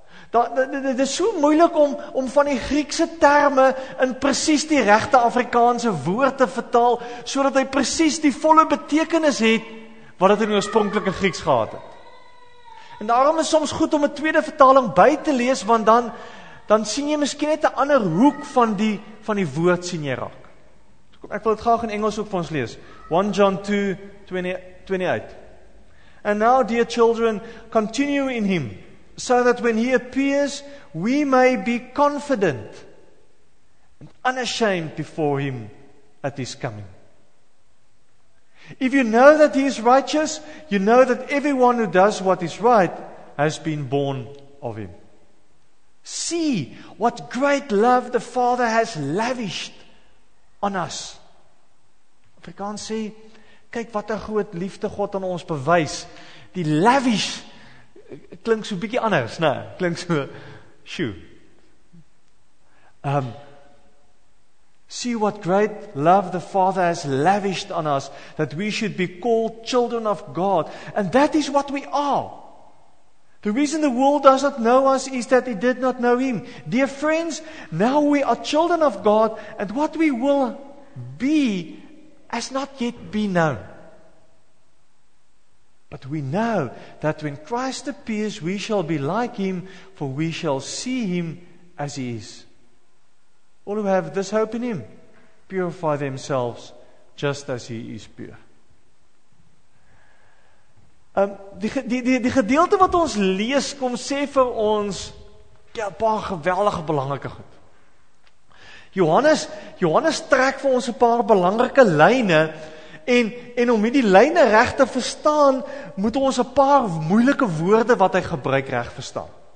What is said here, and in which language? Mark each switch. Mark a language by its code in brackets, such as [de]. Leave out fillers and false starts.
[af] Dit is so moeilik om van die Griekse terme in precies die regte Afrikaanse woord te vertaal, so dat hy precies die volle betekenis het, wat het in die oorspronklike Grieks gehad het. En daarom is soms goed om 'n tweede vertaling by te lees, want dan sien jy miskien net 'n ander hoek van die woord sien jy raak. Ek wil het graag in Engels ook vir ons lees. [en] 1 John 2, 28. And now, dear children, continue in him, so that when he appears, we may be confident and unashamed before him at his coming. If you know that he is righteous, you know that everyone who does what is right has been born of him. See what great love the Father has lavished on us. [af] Afrikaans sê, kyk wat 'n groot liefde God aan ons bewys. Die lavish klink so bietjie anders, nê? Klink so shoo. [en] See what great love the Father has lavished on us, that we should be called children of God. And that is what we are. The reason the world does not know us is that it did not know him. Dear friends, now we are children of God, and what we will be has not yet been known. But we know that when Christ appears, we shall be like him, for we shall see him as he is. All who have this hope in him purify themselves just as he is pure. [af] Die gedeelte wat ons lees, kom sê vir ons, ja, paar geweldige belangrike goed. Johannes trek vir ons 'n paar belangrike lyne, en om hierdie lyne reg te verstaan, moet ons 'n paar moeilike woorde wat hy gebruik reg verstaan.